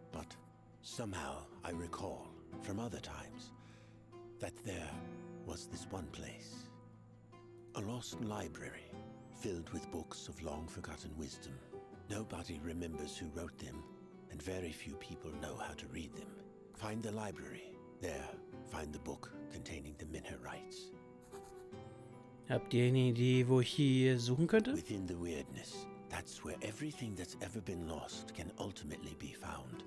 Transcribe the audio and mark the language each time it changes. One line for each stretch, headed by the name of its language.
English: But somehow I recall from other times that there was this one place, a lost library filled with books of long forgotten wisdom. Nobody remembers who wrote them, and very few people know how to read them. Find the library. There, find the book containing the Minha rites.
German: Habt ihr eine Idee, wo ich hier suchen könnte?
English: Within the weirdness, that's where everything that's ever been lost can ultimately be found.